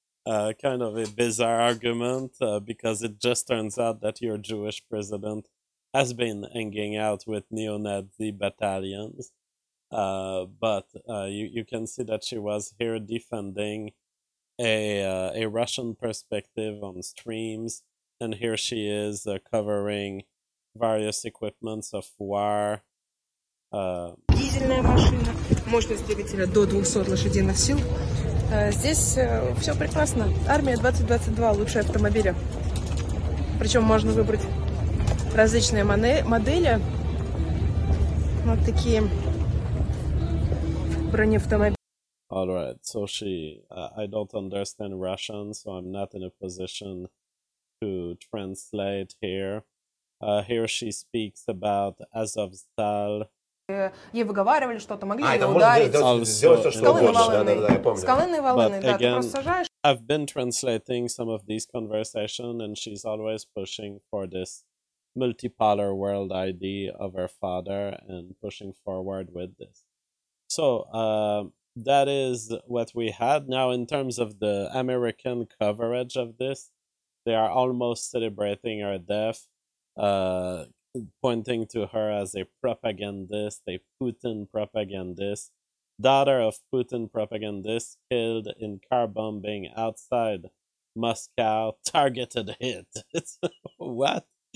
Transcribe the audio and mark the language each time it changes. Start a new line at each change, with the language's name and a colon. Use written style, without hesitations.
English: Kind of a bizarre argument because it just turns out that your Jewish president has been hanging out with neo-Nazi battalions, but you can see that she was here defending a Russian perspective on streams, and here she is covering various equipments of war.
Russian: Дизельная машина, мощность двигателя до 200 лошадиных сил. Здесь все прекрасно. Армия 2022 лучшие автомобили. Причем можно выбрать различные модели. Вот такие бронеавтомобили.
English: All right, so she, I don't understand Russian, so I'm not in a position to translate here. Here she speaks about Azovstal.
Russian: Ей выговаривали что-то, могли ее ударить. Скалы навалены, да, ты просто сажаешь.
English: I've been translating some of these conversations, and she's always pushing for this multipolar world idea of her father and pushing forward with this. So that is what we had. Now, in terms of the American coverage of this, they are almost celebrating her death, pointing to her as a propagandist, a Putin propagandist, daughter of Putin propagandist, killed in car bombing outside Moscow, targeted hit. What?